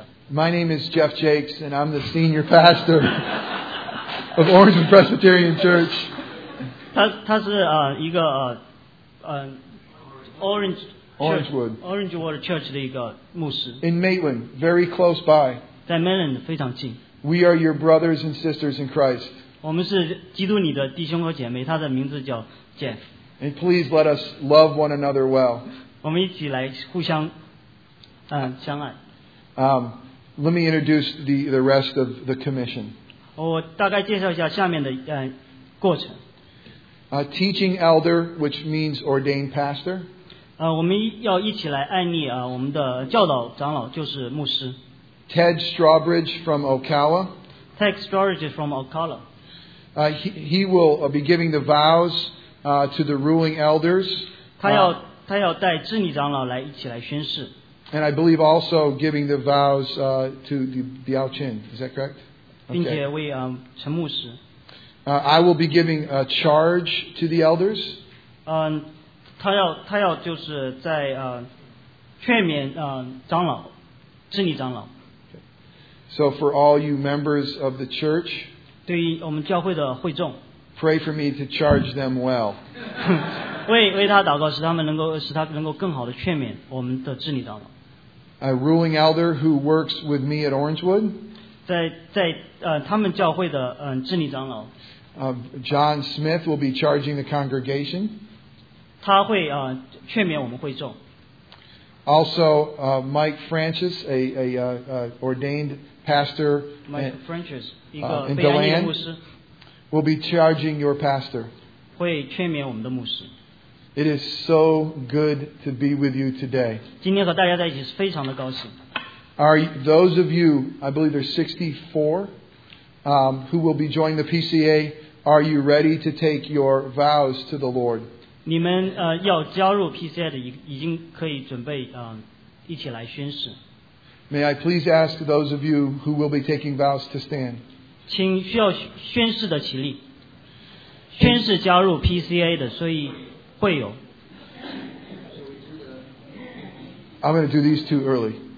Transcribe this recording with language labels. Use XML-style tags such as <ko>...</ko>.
<en>My name is Jeff Jakes, and I'm the senior pastor of Orange Presbyterian Church.</en> <zh>他是一个Orange Water Church 的一个牧师</zh> <en>In Maitland, very close by</en> <zh>在Maitland非常近</zh> <en>We are your brothers and sisters in Christ</en> <zh>我们是基督你的弟兄和姐妹 他的名字叫Jeff</zh> <en>And please let us love one another well</en> <zh>我们一起来互相相爱</zh> <en>Let me introduce the rest of the commission.</en> <zh>我大概介绍一下下面的过程。</zh> <en>Teaching elder, which means ordained pastor.</en> <zh>我们要一起来按立我们的教导长老就是牧师。</zh> <en>Ted Strawbridge from Ocala. Ted Strawbridge from Ocala. He will be giving the vows to the ruling elders.</en> <zh>他要带治理长老来一起来宣誓。</zh> <en>And I believe also giving the vows to the Biao Chin. Is that correct? Okay. I will be giving a charge to the elders.</en> <zh>他要就是在劝勉长老，治理长老。</zh> <en>So for all you members of the church,</en> <zh>对于我们教会的会众，</zh> <en>pray for me to charge them well.</en> <zh>为他祷告，使他能够更好的劝勉我们的治理长老。</zh> <en>A ruling elder who works with me at Orangewood.</en> <zh>在他们教会的治理长老。</zh> <en>John Smith will be charging the congregation.</en> <zh>他会劝勉我们会众。</zh> <en>Also, Mike Francis, a ordained pastor. Mike Francis,</en> <zh>一个被安逸的牧师。</zh> <en>Will be charging your pastor.</en> <zh>会劝勉我们的牧师。</zh> <en>It is so good to be with you today.</en> <zh>今天和大家在一起是非常的高兴。</zh> <en>Are those of you, I believe there's 64, who will be joining the PCA, are you ready to take your vows to the Lord?</en> <zh>你们要加入 PCA 的已经可以准备一起来宣誓。</zh> <en>May I please ask those of you who will be taking vows to stand?</en> <zh>请需要宣誓的起立。宣誓加入 PCA 的，所以。</zh> <en>I'm going to do these two early.</en>